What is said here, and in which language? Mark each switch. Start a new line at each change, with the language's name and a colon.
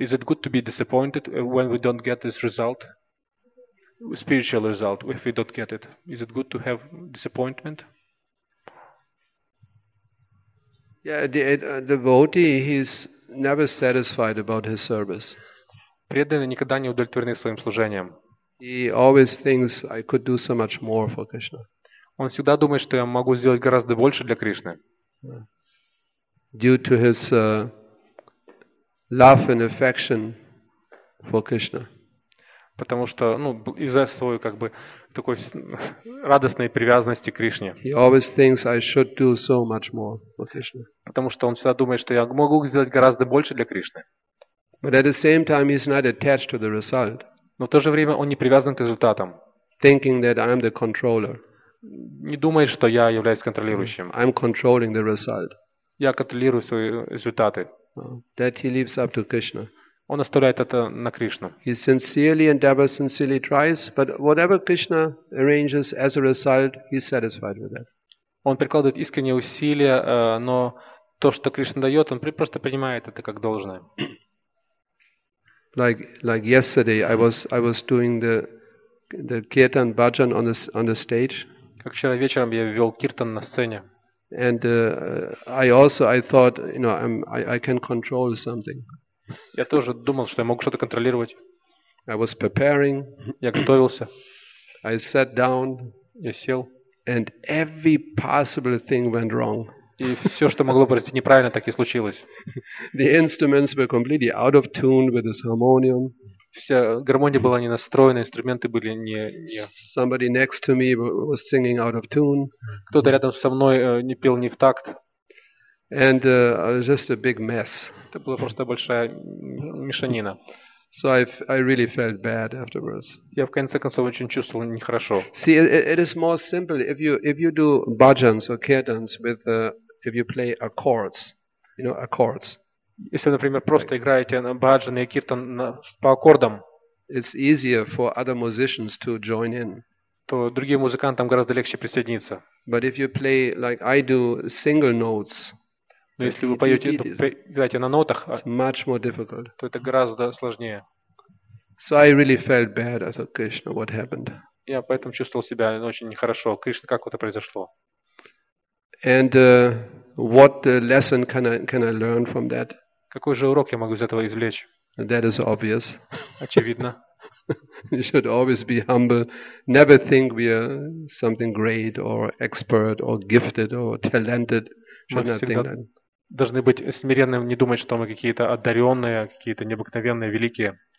English: Is it good to be disappointed when we don't get this result, spiritual result, if we don't get it? Is it good to have disappointment? Yeah, the devotee, he's never satisfied about his service.
Russian: Преданный никогда не удовлетворен своим служением.
English: He always thinks I could do so much more for Krishna.
Russian: Он всегда думает, что я могу сделать гораздо больше для Кришны.
English: Due to his love and affection for Krishna.
Russian: Потому что, ну, из-за своей как бы такой радостной привязанности к Кришне.
English: He always thinks I should do so much more for Krishna.
Russian: Потому что он всегда думает, что я могу сделать гораздо больше для Кришны.
English: But at the same time, he's not attached to the result.
Russian: Но в то же время он не привязан к результатам.
English: Thinking that I'm the controller.
Russian: Не думает, что я являюсь контролирующим.
English: I'm controlling the result.
Russian: Я контролирую свои результаты.
English: That he leaves up to Krishna.
Russian: Он оставляет это на Кришну.
English: He sincerely endeavors, sincerely tries, but whatever Krishna arranges as a result, he's satisfied with that.
Russian: Он прикладывает искренние усилия, но то, что Кришна дает, он просто принимает это как должное.
English: Like yesterday, I was doing the kirtan bhajan on the stage.
Russian: Как вчера вечером я вел киртан на сцене.
English: And I thought, you know, I can control something.
Russian: Я тоже думал, что я могу что-то контролировать.
English: I was preparing.
Russian: Я готовился.
English: I sat down.
Russian: Я сел.
English: And every possible thing went wrong.
Russian: И все, что могло произойти неправильно, так и случилось.
English: The instruments were completely out of tune with this harmonium.
Russian: Вся гармония была не настроена, инструменты были не.
English: Somebody next to me was singing out of tune.
Russian: Кто-то рядом со мной не пел не в такт.
English: And just a big mess.
Russian: Это была просто большая мешанина.
English: So I really felt bad afterwards.
Russian: Я в конце концов очень чувствовал нехорошо.
English: See, it is more simple if you do bhajans or kirtans with if you play accords, you know, accords.
Russian: Если, например, просто играете на бхаджан и киртан по аккордам,
English: it's easier for other musicians to join in.
Russian: То другим музыкантам гораздо легче присоединиться.
English: But if you play like I do single notes.
Russian: Но если вы поете, играете на нотах,
English: much more difficult.
Russian: То это гораздо сложнее.
English: So I really felt bad. I thought, Krishna, what happened?
Russian: Я поэтому чувствовал себя очень нехорошо. Кришна, как это произошло?
English: And what lesson can I learn from that?
Russian: Какой же урок я могу из этого извлечь?
English: That is obvious.
Russian: Очевидно.
English: We should always be humble. Never think we are something great or expert or gifted or talented.
Russian: Должны быть смиренным, не думать, что мы какие-то одаренные, какие-то необыкновенные, великие.